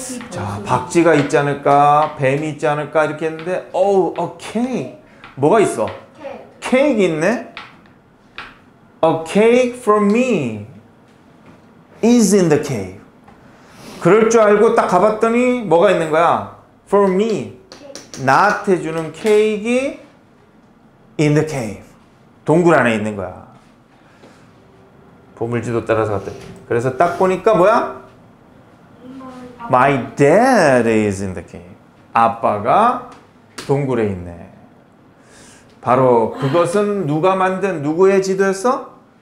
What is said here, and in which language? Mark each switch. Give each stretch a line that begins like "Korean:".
Korean: 자, 박쥐가 있지 않을까, 뱀이 있지 않을까 이렇게 했는데 오 오케이. 뭐가 있어? 케이크 있네.
English: A cake for me is in the cave.
Korean: 그럴 줄 알고 딱 가봤더니 뭐가 있는 거야?
English: For me,
Korean: 나한테 주는 케이크가
English: in the cave.
Korean: 동굴 안에 있는 거야. 보물지도 따라서 갔더니. 그래서 딱 보니까 뭐야?
English: My dad is in the cave.
Korean: 아빠가 동굴에 있네. 바로 그것은 누가 만든, 누구의 지도였어?